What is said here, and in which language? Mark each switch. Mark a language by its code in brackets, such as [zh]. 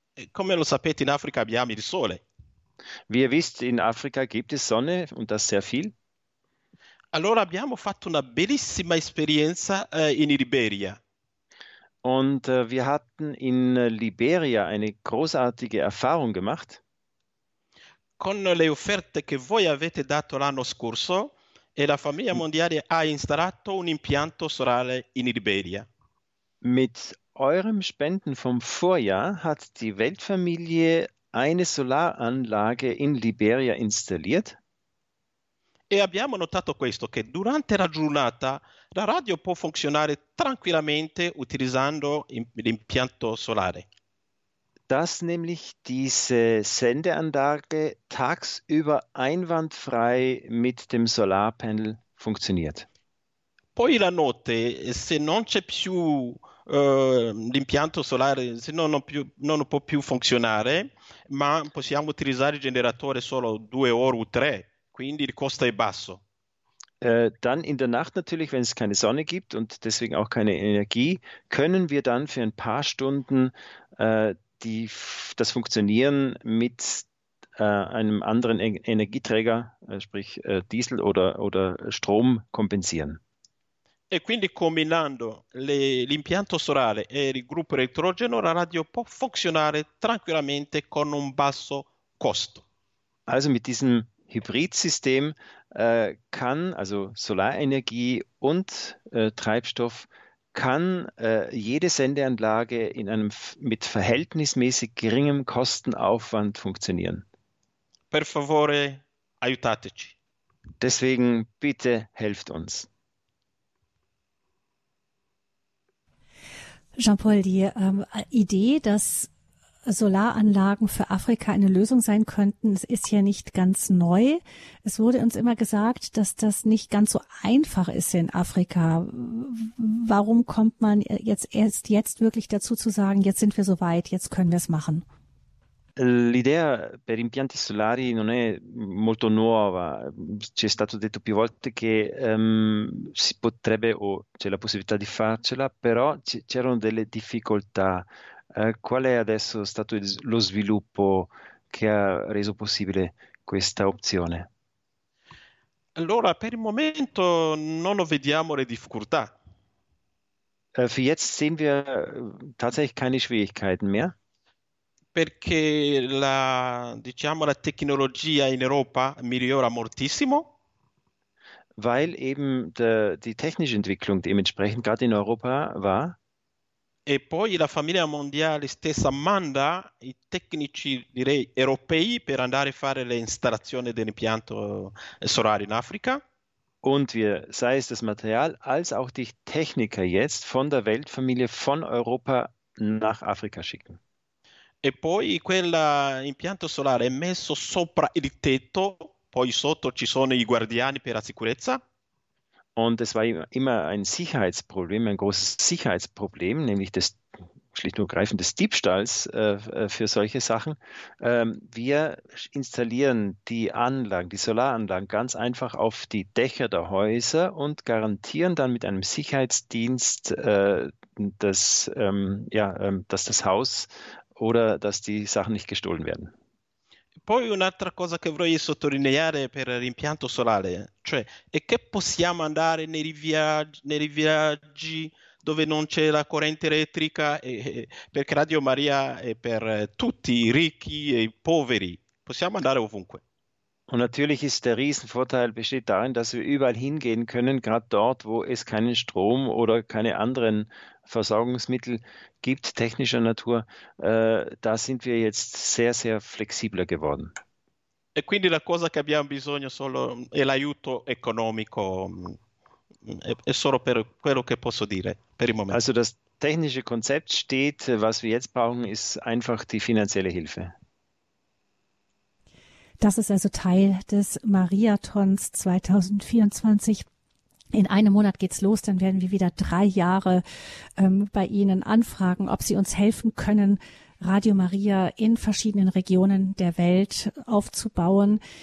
[it] Come lo sapete, in Africa abbiamo il sole. [de] Wie ihr wisst, in Afrika gibt es Sonne und das sehr viel. [it] Allora abbiamo fatto una bellissima esperienza, in Liberia. [de] Und wir hatten in Liberia eine großartige Erfahrung gemacht. [it] Con le offerte che voi avete dato l'anno scorso, e la Famiglia Mondiale ha installato un impianto solare in Liberia. [de] Mit eurem Spenden vom Vorjahr hat die Weltfamilie eine Solaranlage in Liberia installiert. [it] E abbiamo notato questo, che durante la giornata la radio può funzionare tranquillamente utilizzando l'impianto solare. [de] Dass nämlich diese Sendeanlage tagsüber einwandfrei mit dem Solarpanel funktioniert. [it] Poi la notte, se non c'è più l'impianto solare, se non può più funzionare, ma possiamo utilizzare il generatore solo 2 ore o 3. Quindi il costo è basso. [de] Dann in der Nacht natürlich, wenn es keine Sonne gibt und deswegen auch keine Energie, können wir dann für ein paar Stunden das Funktionieren mit einem anderen Energieträger, sprich Diesel oder Strom, kompensieren. [it] E quindi combinando l'impianto solare e il gruppo elettrogeno, la radio può funzionare tranquillamente con un basso costo. [de] Also mit diesem Hybridsystem kann, also Solarenergie und Treibstoff, kann jede Sendeanlage in einem mit verhältnismäßig geringem Kostenaufwand funktionieren. [it] Per favore, aiutateci. [de] Deswegen bitte helft uns. Jean-Paul, die Idee, dass Solaranlagen für Afrika eine Lösung sein könnten, ist ja nicht ganz neu. Es wurde uns immer gesagt, dass das nicht ganz so einfach ist in Afrika. Warum kommt man jetzt wirklich dazu zu sagen, jetzt sind wir so weit, jetzt können wir es machen? [it] L'idea per impianti solari non è molto nuova, ci è stato detto più volte che si potrebbe o c'è la possibilità di farcela, però c'erano delle difficoltà. Qual è adesso stato lo sviluppo che ha reso possibile questa opzione? Allora, per il momento non vediamo le difficoltà. [de] Für jetzt sehen wir tatsächlich keine Schwierigkeiten mehr. [it] Perché diciamo, la tecnologia in Europa migliora moltissimo. [de] Weil eben die technische Entwicklung dementsprechend gerade in Europa war. [it] E poi la Famiglia Mondiale stessa manda i tecnici, direi, europei per andare a fare le installazioni dell'impianto solare in Africa. [de] Und wir, sei es das Material als auch die Techniker jetzt von der Weltfamilie von Europa nach Afrika schicken. [it] E poi quell'impianto solare è messo sopra il tetto, poi sotto ci sono i guardiani per la sicurezza. [de] Und es war immer ein Sicherheitsproblem, ein großes Sicherheitsproblem, nämlich des schlicht und greifend des Diebstahls für solche Sachen. Wir installieren die Anlagen, die Solaranlagen, ganz einfach auf die Dächer der Häuser und garantieren dann mit einem Sicherheitsdienst, dass das Haus oder dass die Sachen nicht gestohlen werden. [it] Poi un'altra cosa che vorrei sottolineare per l'impianto solare, cioè, è che possiamo andare nei viaggi dove non c'è la corrente elettrica, perché Radio Maria è per tutti, i ricchi e i poveri. Possiamo possiamo andare ovunque. [de] Und natürlich ist der Riesenvorteil besteht darin, dass wir überall hingehen können, gerade dort, wo es keinen Strom oder keine anderen Versorgungsmittel gibt, technischer Natur. Da sind wir jetzt sehr, sehr flexibler geworden. [it] E quindi la cosa che abbiamo bisogno solo è l'aiuto economico. È solo per quello che posso dire per il momento. [de] Also das technische Konzept steht, was wir jetzt brauchen, ist einfach die finanzielle Hilfe. Das ist also Teil des Mariathons 2024. In einem Monat geht's los, dann werden wir wieder 3 Jahre bei Ihnen anfragen, ob Sie uns helfen können, Radio Maria in verschiedenen Regionen der Welt aufzubauen.